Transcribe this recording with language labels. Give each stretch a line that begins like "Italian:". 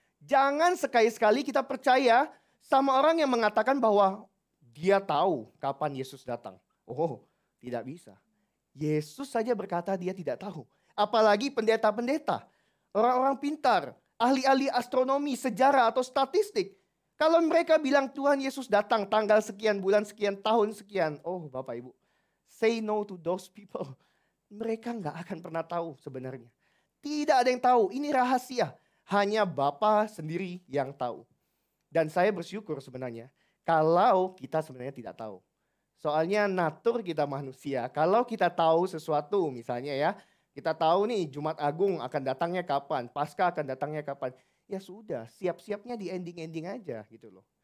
Indonesian: Jangan sekali-sekali kita percaya sama orang yang mengatakan bahwa dia tahu kapan Yesus datang. Oh, tidak bisa. Yesus saja berkata dia tidak tahu. Apalagi pendeta-pendeta, orang-orang pintar, ahli-ahli astronomi, sejarah atau statistik. Kalau mereka bilang Tuhan Yesus datang tanggal sekian, bulan sekian, tahun sekian. Oh Bapak Ibu,
English: say no to those people.
Indonesian: Mereka gak akan pernah tahu sebenarnya. Tidak ada yang tahu, ini rahasia. Hanya Bapa sendiri yang tahu. Dan saya bersyukur sebenarnya, kalau kita sebenarnya tidak tahu. Soalnya natur kita manusia, kalau kita tahu sesuatu misalnya ya, kita tahu nih Jumat Agung akan datangnya kapan, Paskah akan datangnya kapan, ya sudah, siap-siapnya di ending-ending aja gitu loh.